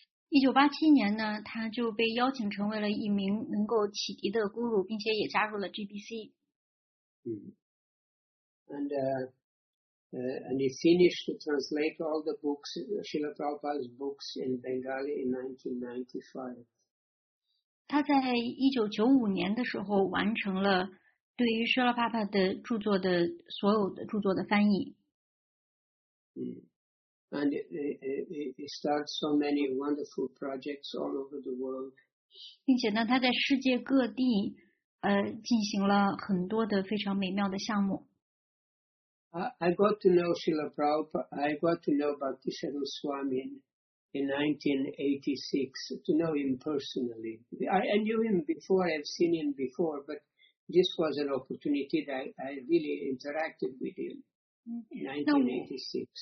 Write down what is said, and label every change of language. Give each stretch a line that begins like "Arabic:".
Chinese: 1987年呢，他就被邀请成为了一名能够启迪的 guru， 并且也加入了 GBC。
English: And he finished to translate all the books, Srila Prabhupada's books in Bengali in 1995.
Chinese: 他在1995年的时候完成了对于舍勒帕帕的著作的所有的著作的翻译。
English: And he started so many wonderful projects all over the world.
Chinese: 并且呢，他在世界各地进行了很多的非常美妙的项目。
English: I got to know Srila Prabhupada, I got to know Bhaktisiddhanta Swami in 1986, to know him personally. I knew him before, I've seen him before, but this was an opportunity that I really interacted with him in 1986.